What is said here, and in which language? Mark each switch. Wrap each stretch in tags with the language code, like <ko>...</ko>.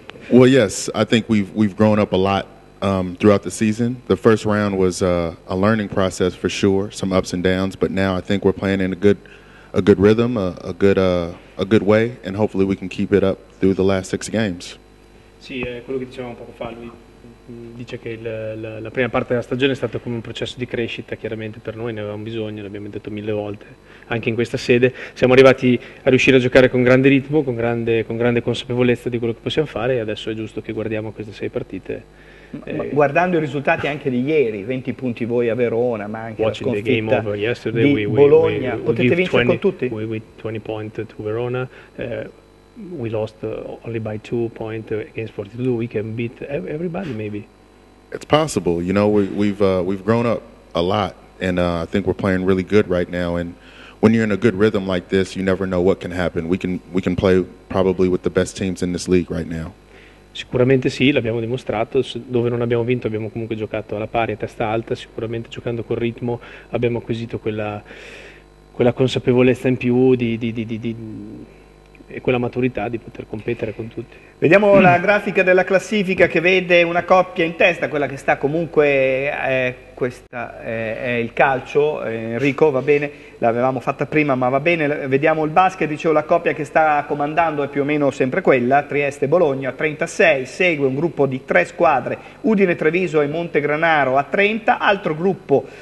<en>Well, yes, I think we've grown up a lot throughout the season. The first round was a learning process for sure, some ups and downs, but now I think we're playing in a good rhythm, a good way, and hopefully we can keep it up through the last 6 games.</en> <it>Sì, è quello che dicevamo poco fa. Lui dice che la prima parte della stagione è stata come un processo di crescita, chiaramente per noi ne avevamo bisogno, l'abbiamo detto 1000 volte anche in questa sede, siamo arrivati a riuscire a giocare con grande ritmo, con grande consapevolezza di quello che possiamo fare e adesso è giusto che guardiamo queste 6 partite. Ma guardando i risultati anche di ieri, 20 punti voi a Verona, ma anche</it> <en>watching</en> <it>la sconfitta</it> <en>the game over yesterday,</en> <it>di Bologna, potete vincere con tutti?</it> <en>We 20 points to Verona, we lost only by 2 points against 42. We can beat everybody, maybe. It's possible. You know, we've grown up a lot, and I think we're playing really good right now. And when you're in a good rhythm like this, you never know what can happen. We can play probably with the best teams in this league right now.</en> <it>Sicuramente sì, l'abbiamo dimostrato. Dove non abbiamo vinto abbiamo comunque giocato alla pari, a testa alta. Sicuramente giocando col ritmo abbiamo acquisito quella consapevolezza in più di e quella maturità di poter competere con tutti. Vediamo la grafica della classifica che vede una coppia in testa, quella che sta comunque è il calcio, Enrico, va bene, l'avevamo fatta prima ma va bene, vediamo il basket, dicevo la coppia che sta comandando è più o meno sempre quella, Trieste-Bologna a 36, segue un gruppo di 3 squadre, Udine-Treviso e Montegranaro a 30, altro gruppo</it>